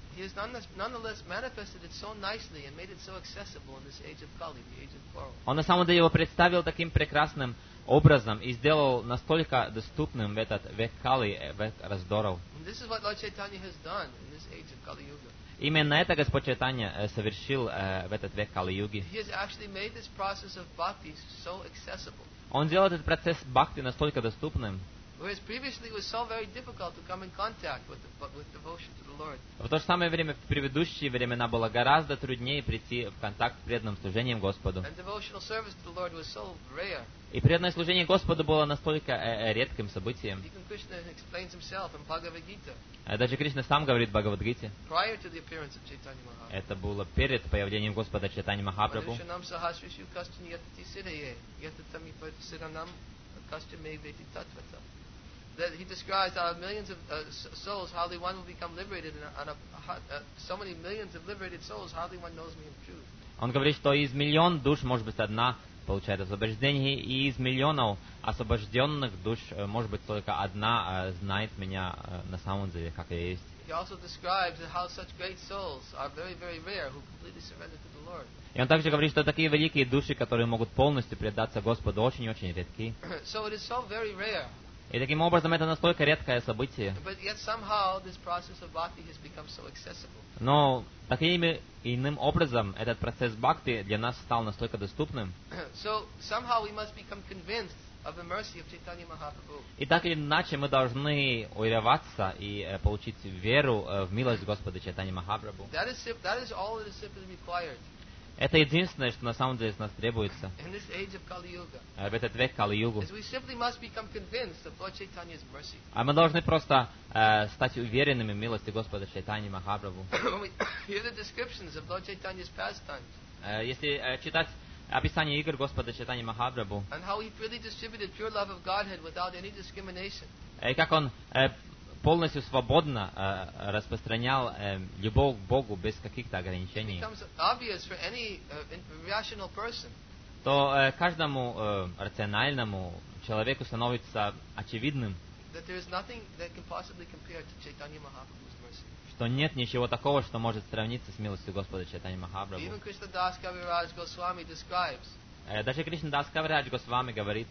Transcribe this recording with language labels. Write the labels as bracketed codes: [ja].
[en] He has nonetheless manifested it so nicely and made it so accessible in this age of Kali, the age of quarrel. [ru] Он на самом деле его представил таким прекрасным образом и сделал настолько доступным в этот век Кали, век раздоров. [en] And this is what Lord Chaitanya has done in this age of Kali Yuga. [ru] Именно это Господь Чайтанья совершил в этот век Кали-юги. [en] He has actually made this process of bhakti so accessible. [ru] Он сделал этот процесс бхакти настолько доступным. [en] Whereas previously it was so very difficult to come in contact with devotion to the Lord. [ru] В то же самое время в предыдущие времена было гораздо труднее прийти в контакт с преданным служением Господу. [en] And devotional service to the Lord was so rare. [ru] И преданное служение Господу было настолько редким событием. [en] Even Krishna explains himself in Bhagavad Gita. [ru] Даже Кришна сам говорит в Бхагавадгите. [en] Prior to the appearance of Chaitanya Mahaprabhu. [ru] Это было перед появлением Господа Чайтани Махапрабху. [sa] Manushanam sahasrishu kastin yatati siddhaye yatatami parisiranam kastin meyveti tatvata. [en] That he describes how millions of souls, hardly one will become liberated, and so many millions of liberated souls, hardly one knows me in truth. [ru] Он говорит, что из миллион душ может быть одна получает освобождение, и из миллионов освобожденных душ может быть только одна знает меня на самом деле, как я есть. [en] He also describes how such great souls are very, very rare, who completely surrender to the Lord. [ru] И он также говорит, что такие великие души, которые могут полностью предаться Господу, очень, очень редки. [en] So it is so very rare. [ru] И таким образом это настолько редкое событие. [en] But yet somehow this process of bhakti has become so accessible. [ru] Но таким иным образом этот процесс бхакти для нас стал настолько доступным. [en] So somehow we must become convinced of the mercy of Chaitanya Mahaprabhu. [ru] И так или иначе мы должны уверяться и получить веру в милость Господа Чайтани Махапрабху. [en] That is all that is simply required. [ru] Это единственное, что на самом деле из нас требуется. [en] In this age of Kali Yuga, [ru] в этот век Кали-Югу. [en] We simply must become convinced of Lord Chaitanya's mercy. [ru] А мы должны просто стать уверенными в милости Господа Чайтани Махапрабху. [en] When we hear the descriptions of Lord Chaitanya's pastimes. [ru] Если читать описание игр Господа Чайтани Махапрабху. [en] And how he freely distributed pure love of Godhead without any discrimination. [ru] И как он полностью свободно распространял любовь к Богу без каких-то ограничений, [en] it becomes obvious for any rational person, [ru] то каждому рациональному человеку становится очевидным, [en] that there is nothing that can possibly compare to Chaitanya Mahaprabhu's mercy. [ru] Что нет ничего такого, что может сравниться с милостью Господа Чайтани Махапрабху. [en] Even Krishna Das Kaviraj Goswami describes, [ru] даже Кришна Дас Кавирадж Госвами говорит,